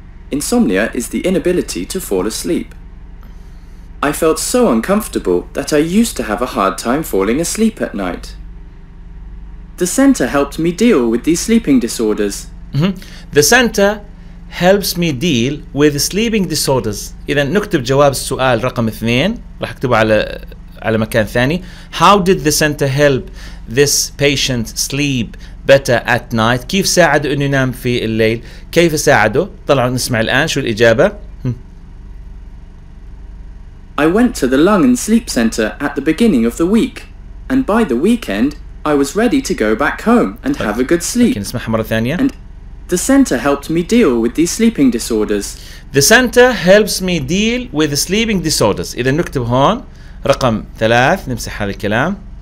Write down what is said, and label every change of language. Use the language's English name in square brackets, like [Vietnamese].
[English] Insomnia is the inability to fall asleep. I felt so uncomfortable that I used to have a hard time falling asleep at night. The center helped me deal with these sleeping disorders. The center helps me deal with sleeping disorders. [Arabic] إذا نكتب جواب السؤال رقم 2 راح أكتبه على مكان ثاني. [English] How did the center help this patient sleep better at night? [Arabic] كيف ساعده إنه ينام في الليل؟ كيف ساعده؟ طلعوا نسمع الآن شو الإجابة. [English] I went to the lung and sleep center at the beginning of the week, and by the weekend I was ready to go back home and have a good sleep. [Arabic] ممكن نسمعها مرة ثانية. [English] The center helped me deal with these sleeping disorders. The center helps me deal with sleeping disorders. [Arabic] إذا نكتب هون رقم 3 نمسح هذا الكلام.